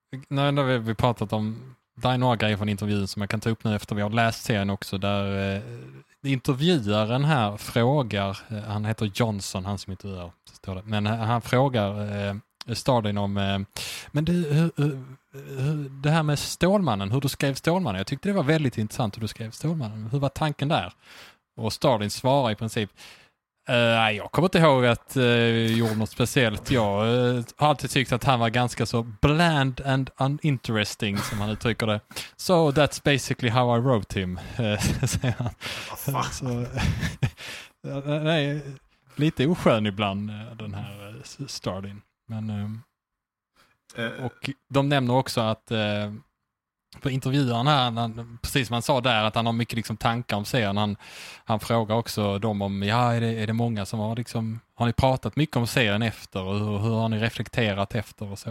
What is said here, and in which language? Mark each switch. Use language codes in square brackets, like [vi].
[sv] När vi har pratat om, det är några grejer från intervjun som jag kan ta upp nu efter vi har läst serien också, där intervjuaren här frågar, han heter Johnson, han som intervjuar, står det, men han frågar Starlin om, men du, det här med Stålmannen, hur du skrev Stålmannen, jag tyckte det var väldigt intressant hur du skrev Stålmannen, hur var tanken där? Och Starlin svarar i princip, nej, jag kommer inte ihåg att jag gjorde något speciellt. Jag har alltid tyckt att han var ganska så [en] bland and uninteresting, [sv] som han uttrycker det. [en] So that's basically how I wrote him, [sv] säger han. Oh, så, nej, lite oskön ibland den här Starlin. Men, och de nämner också att på intervjuaren här, precis som han sa där, att han har mycket liksom tankar om serien. Han frågar också dem om, ja, är det många som har liksom, har ni pratat mycket om serien efter, och hur har ni reflekterat efter och så.